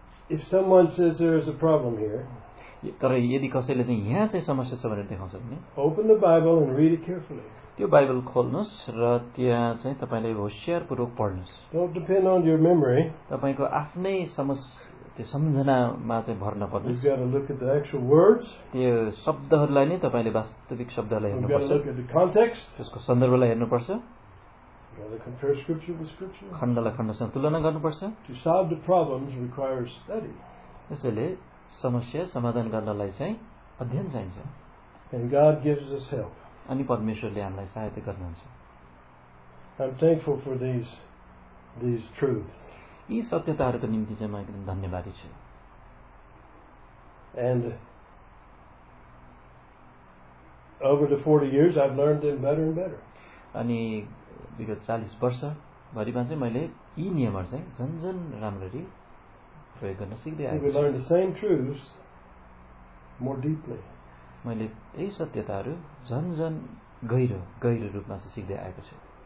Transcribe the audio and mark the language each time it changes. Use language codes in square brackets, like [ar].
[en] If someone says there is a problem here, [ne] तर यदि कसैले चाहिँ यहाँ चाहिँ समस्या छ भनेर देखाउँछ भने [en] open the Bible and read it carefully. [ne] त्यो बाइबल खोल्नुहोस् र त्यहाँ चाहिँ तपाईँले होसियारपूर्वक पढ्नुहोस्. [en] Don't depend on your memory. [ne] तपाईँको आफ्नै त्यो सम्झनामा चाहिँ भर नपर्नु. [en] You've got to look at the actual words. [ne] त्यो शब्दहरूलाई नै तपाईँले वास्तविक शब्दलाई हेर्नुपर्छ. [en] You've got to look at the context. [ne] त्यसको सन्दर्भलाई हेर्नुपर्छ. [en] Compare scripture with scripture. [ne] खण्डलाई खण्डसँग तुलना गर्नुपर्छ. [en] To solve the problems requires study. [ne] त्यसैले समस्या समाधान गर्नलाई चाहिँ अध्ययन चाहिन्छ. [en] And God gives us help. [ne] अनि परमेश्वरले हामीलाई सहायता गर्नुहुन्छ. [en] I'm thankful for these truths. [ne] यी सत्यताहरूको निम्ति चाहिँ म एकदम धन्यवादी छु. [en] And over the 40 years I've learned them better and better. [ne] अनि विगत 40 वर्ष भरिमा चाहिँ मैले यी नियमहरू चाहिँ झन् झन् राम्ररी प्रयोग गर्न सिक्दै आएको छु. [en] We learn the same truths more deeply. [ne] मैले यही सत्यताहरू झन् झन् गहिरो गहिरो रूपमा चाहिँ सिक्दै आएको छु.